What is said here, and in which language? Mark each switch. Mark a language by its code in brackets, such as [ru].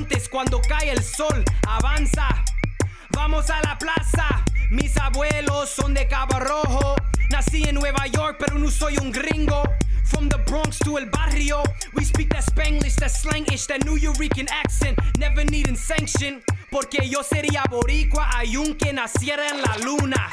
[es] Cuando cae el sol, avanza. Vamos a la plaza. Mis abuelos son de Cabo Rojo. Nací en Nueva York, pero no soy un gringo. [en] From the Bronx to [es] el barrio, [en] we speak that Spanglish, that slangish, that New Yorkian accent, never needing sanction. [es] Porque yo sería boricua, aunque naciera en la luna.